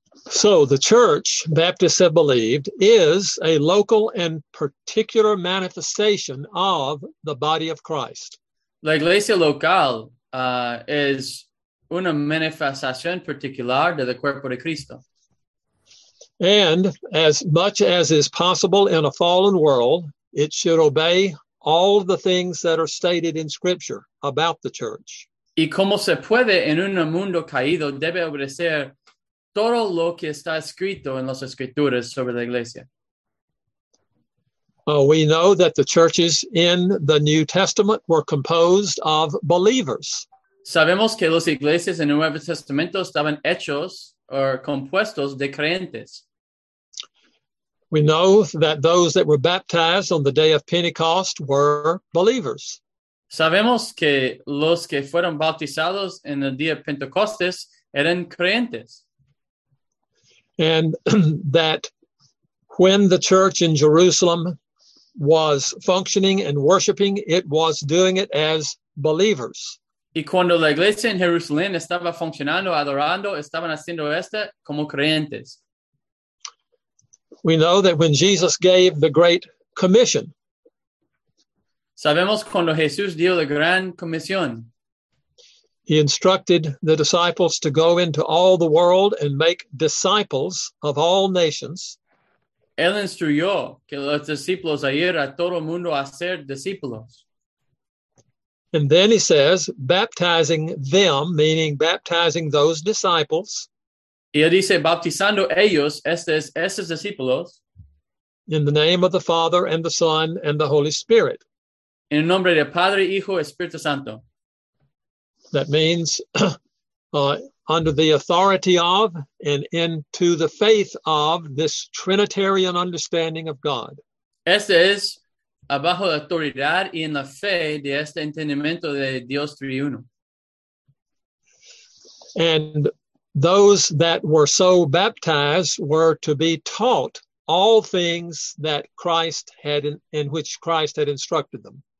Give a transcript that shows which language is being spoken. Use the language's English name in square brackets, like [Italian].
[English] So the church, Baptists have believed, is a local and particular manifestation of the body of Christ. [Spanish] La iglesia local es una manifestación particular de el cuerpo de Cristo. [English] And as much as is possible in a fallen world, it should obey all the things that are stated in Scripture about the church. [Spanish] Y como se puede en un mundo caído, debe obedecer todo lo que está escrito en las Escrituras sobre la iglesia. [English] We know that the churches in the New Testament were composed of believers. [Spanish] Sabemos que las iglesias en el Nuevo Testamento estaban hechos o compuestos de creyentes. [English] We know that those that were baptized on the day of Pentecost were believers. [Spanish] Sabemos que los que fueron bautizados en el día Pentecostés eran creyentes. [English] And that when the church in Jerusalem was functioning and worshiping, it was doing it as believers. [Spanish] Y cuando la iglesia en Jerusalén estaba funcionando, adorando, estaban haciendo esto como creyentes. [English] We know that when Jesus gave the great commission. [Spanish] Sabemos cuando Jesús dio la gran comisión. [English] He instructed the disciples to go into all the world and make disciples of all nations. [Spanish] Él instruyó que los discípulos a ir a todo mundo a ser discípulos. [English] And then he says, baptizing them, meaning baptizing those disciples. [Spanish] Y él dice, bautizando ellos, estos discípulos. [English] In the name of the Father and the Son and the Holy Spirit. [Spanish] En el nombre del Padre, Hijo, Espíritu Santo. [English] That means under the authority of and into the faith of this Trinitarian understanding of God. [Spanish] Este es abajo la autoridad y en la fe de este entendimiento de Dios triuno. [English] And those that were so baptized were to be taught all things that Christ had in which Christ had instructed them.